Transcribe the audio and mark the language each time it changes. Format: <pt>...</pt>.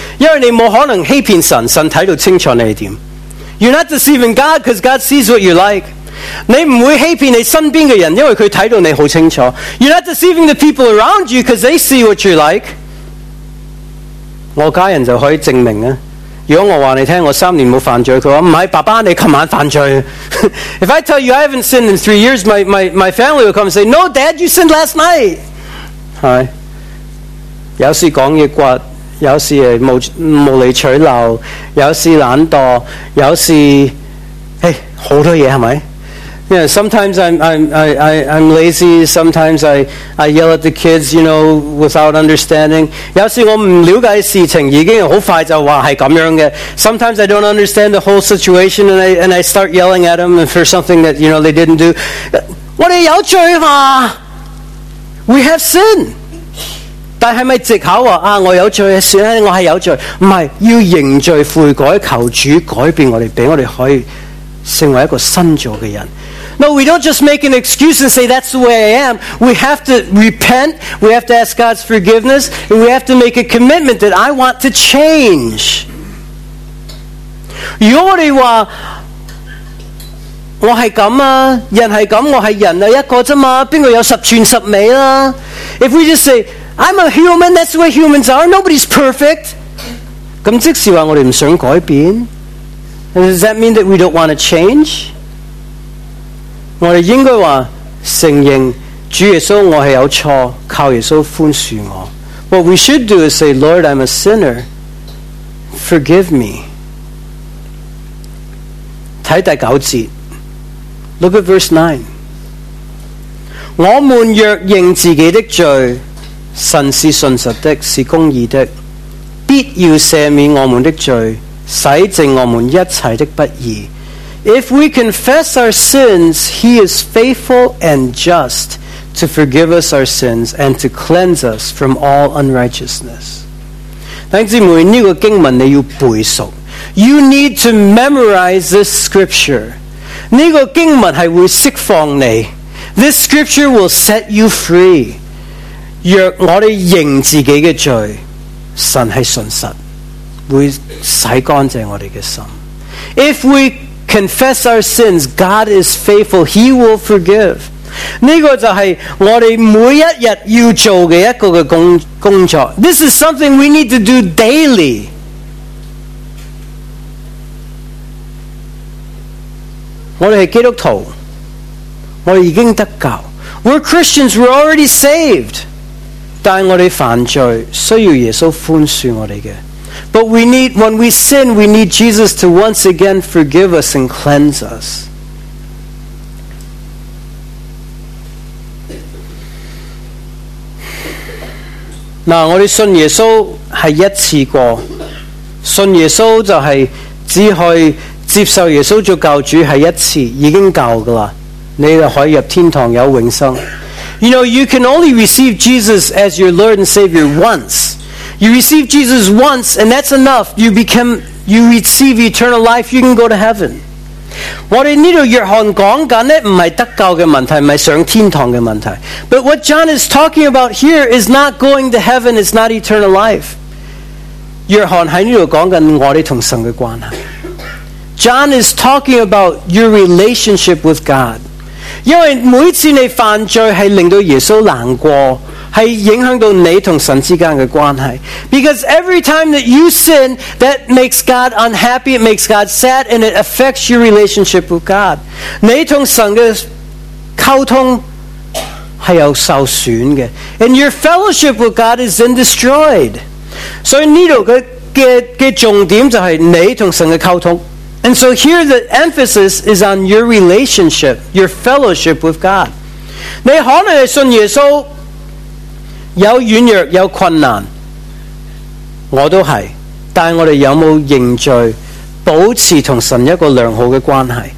<zh>因为你不可能欺骗神，神看得清楚你是怎样。</zh> <en>You're not deceiving God because God sees what you like.</en> <zh>你不会欺骗你身边的人，因为他看得你很清楚。</zh> <en>You're not deceiving the people around you because they see what you like.</en> <zh>我家人就可以证明了。如果我告诉你我三年没犯罪，他说不是，爸爸你昨晚犯罪。</zh> <en>If I tell you I haven't sinned in 3 years, my family will come and say, No, Dad, you sinned last night.</en> <zh>是。有时讲话刮，有时无理取闹，有时懒惰，有时很多东西，是吧？</zh> <en>Yeah, sometimes I'm lazy, sometimes I yell at the kids, you know, without understanding.</en> <zh>有时我不了解事情，已经很快就说是这样的。</zh> <en>Sometimes I don't understand the whole situation and I start yelling at them for something that, you know, they didn't do.</en> <zh>我们有罪嘛？</zh> <en>We have sin.</en> <zh>但是不是藉口说，我有罪，算了，我是有罪。不是，要认罪悔改，求主改变我们，让我们可以成为一个新造的人。</zh> <en>No, we don't just make an excuse and say, that's the way I am. We have to repent, we have to ask God's forgiveness, and we have to make a commitment that I want to change.</en> <zh>如果你说，我是这样啊，人是这样，我是人啊，一个而已，谁有十全十美啊？</zh> <en>If we just say, I'm a human, that's the way humans are, nobody's perfect.</en> <zh>那即使说我们不想改变，</zh> <en>does that mean that we don't want to change?</en> <zh>我们应该说承认主耶稣我是有错，靠耶稣宽恕我。</zh> <en>What we should do is say, Lord, I'm a sinner, forgive me.</en> <zh>看第九节，</zh> <en>Look at verse 9.</en> <zh>我们若认自己的罪，神是信实的，是公义的，必要赦免我们的罪，洗净我们一切的不义。</zh> <en>If we confess our sins, he is faithful and just to forgive us our sins and to cleanse us from all unrighteousness.</en> <zh>弟兄姊妹，这个经文你要背熟。</zh> <en>You need to memorize this scripture.</en> <zh>这个经文是会释放你。</zh> <en>This scripture will set you free.</en> <zh>若我们认自己的罪，神是信实，会洗干净我们的心。</zh> <en>If we confess our sins, God is faithful. He will forgive.</en> <zh>这个就是我们每一天要做的一个工作。</zh> <en>This is something we need to do daily.</en> <zh>我们是基督徒，我们已经得救。</zh> <en>We're Christians, we're already saved.</en> <zh>但我们犯罪，需要耶稣宽恕我们的。</zh> <en>But we need, when we sin, we need Jesus to once again forgive us and cleanse us.</en> <zh>那我们信耶稣是一次过，信耶稣就是只可以接受耶稣做教主是一次已经够了，你就可以入天堂有永生。</zh> <en>You know, you can only receive Jesus as your Lord and Savior once. You receive Jesus once and that's enough. You receive eternal life, you can go to heaven.</en> <zh>我们这里约翰讲的不是得救的问题，不是上天堂的问题。</zh> <en>But what John is talking about here is not going to heaven, it's not eternal life.</en> <zh>约翰在这里讲我们跟神的关系。</zh> <en>John is talking about your relationship with God.</en> <zh>因为每次你犯罪是令到耶稣难过，是影响到你和神之间的关系。</zh> <en>Because every time that you sin, that makes God unhappy, it makes God sad, and it affects your relationship with God.</en> <zh>你和神的沟通是有受损的。</zh> <en>And your fellowship with God is then destroyed.</en> <zh>所以这里的重点就是你和神的沟通。</zh> <en>And so here the emphasis is on your relationship, your fellowship with God.</en> <zh>你可能是信耶稣有软弱有困难，我都是，但我们有没有认罪保持和神一个良好的关系？</zh>